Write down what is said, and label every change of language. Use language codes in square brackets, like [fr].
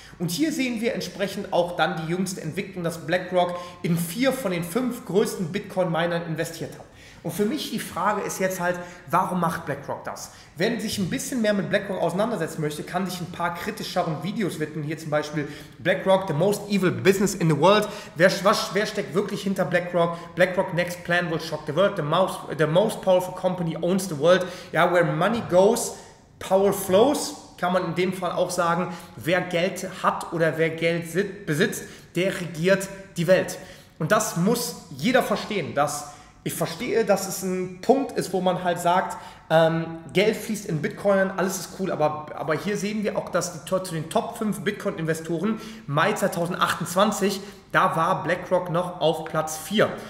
[de] Und hier sehen wir entsprechend auch dann die jüngste Entwicklung, dass BlackRock in 4 von den 5 größten Bitcoin-Minern investiert hat. Und für mich die Frage ist jetzt halt, warum macht BlackRock das? Wer sich ein bisschen mehr mit BlackRock auseinandersetzen möchte, kann sich ein paar kritischeren Videos widmen. Hier zum Beispiel [en] BlackRock, the most evil business in the world. [de] Wer steckt wirklich hinter BlackRock? [en] BlackRock next plan will shock the world. The most powerful company owns the world. [de] Ja, [en] where money goes, power flows, [de] kann man in dem Fall auch sagen. Wer Geld hat oder wer Geld besitzt, der regiert die Welt. Und das muss jeder verstehen, dass ich verstehe, dass es ein Punkt ist, wo man halt sagt, Geld fließt in Bitcoin, alles ist cool, aber hier sehen wir auch, dass zu den Top 5 Bitcoin-Investoren Mai 2028, da war BlackRock noch auf Platz 4.